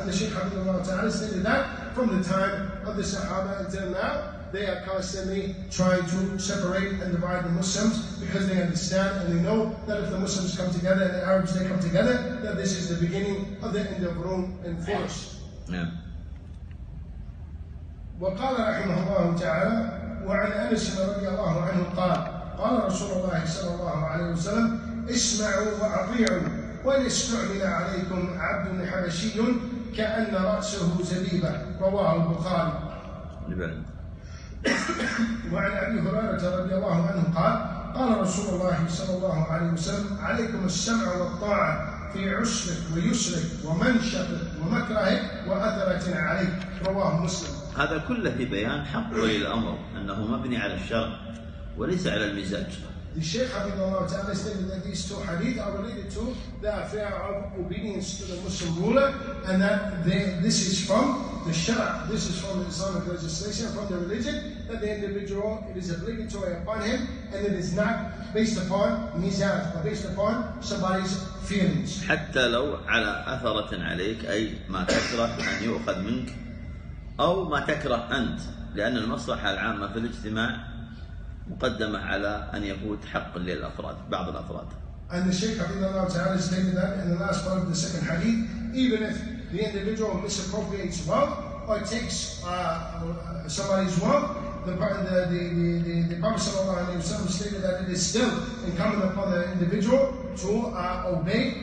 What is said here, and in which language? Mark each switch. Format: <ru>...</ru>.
<en>And the Shaykh Habibullah Ta'ala stated that from the time of the Sahaba until now, they are constantly trying to separate and divide the Muslims, because they understand and they know that if the Muslims come together and the Arabs, they come together, that this is the beginning of the end of Rum and Furs. Yeah.</en> <ar>وقال رحمه الله تعالى وعن أنس رضي الله عنه قال قال رسول الله صلى الله عليه وسلم اسمعوا وأطيعوا وإن استعمل عليكم عبد حبشي كأن رأسه زبيبة رواه البخاري. وعن أبي هريرة رضي الله عنه قال قال رسول الله صلى الله عليه وسلم: عليكم السمع والطاعة في عسرك ويسرك ومنشفك ومكرهك وأثرة عليك، رواه مسلم. هذا كله في بيان حق ولي الأمر أنه مبني على الشرع وليس على المزاج. الشيخ حفظه الله تعالى</ar> <en>stated that these two hadith are related to the affair of obedience to the Muslim ruler, and that this is from the Shara, this is from the Islamic legislation, from the religion, that the individual, it is obligatory upon him, and it is not based upon mizaj, but based upon somebody's feelings.</en> <ar>حتى لو على أثرة عليك، أي ما تكره أن يؤخذ منك أو ما تكره أنت، لأن المصلحة العامة في الاجتماع مقدمة على أن يفوت حق للأفراد بعض الأفراد.</ar> <en>And the Shaykh Abdul Allah Ta'ala stated that in the last part of the second hadith, even if the individual misappropriates wealth or takes somebody's wealth, the Prophet sallallahu alayhi wa sallam stated that it is still incumbent upon the individual to obey.</en>